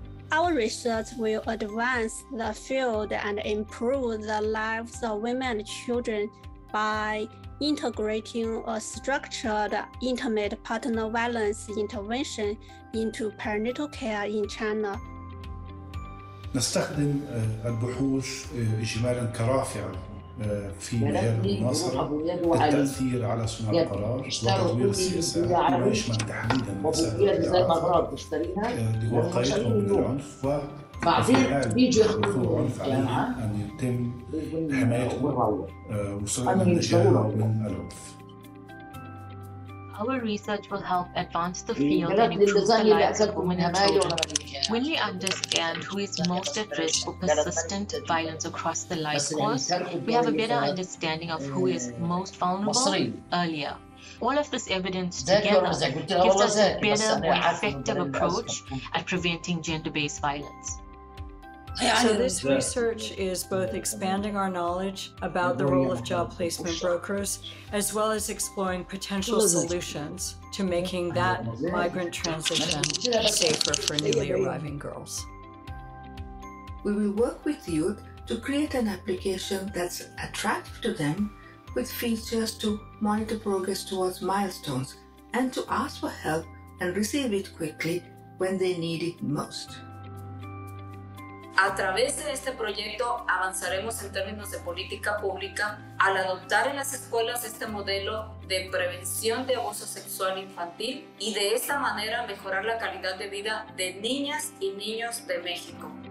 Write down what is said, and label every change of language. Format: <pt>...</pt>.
<en>Our research will advance the field and improve the lives of women and children by integrating a structured intimate partner violence intervention into perinatal care in China.</en> <ar>نستخدم البحوث إجمالا كرافعة في مجال المناصرة التأثير على صناع القرار وتطوير السياسة ويشمل تحديدا مسألة وقائعهم من العنف و</ar> <en>Our research will help advance the field and improve the lives of women and children. When we understand who is most at risk for persistent violence across the life course, we have a better understanding of who is most vulnerable earlier. All of this evidence together gives us a better, more effective approach at preventing gender-based violence. So this research is both expanding our knowledge about the role of job placement brokers, as well as exploring potential solutions to making that migrant transition safer for newly arriving girls. We will work with youth to create an application that's attractive to them, with features to monitor progress towards milestones and to ask for help and receive it quickly when they need it most.</en> <es>A través de este proyecto avanzaremos en términos de política pública al adoptar en las escuelas este modelo de prevención de abuso sexual infantil y de esta manera mejorar la calidad de vida de niñas y niños de México.</es>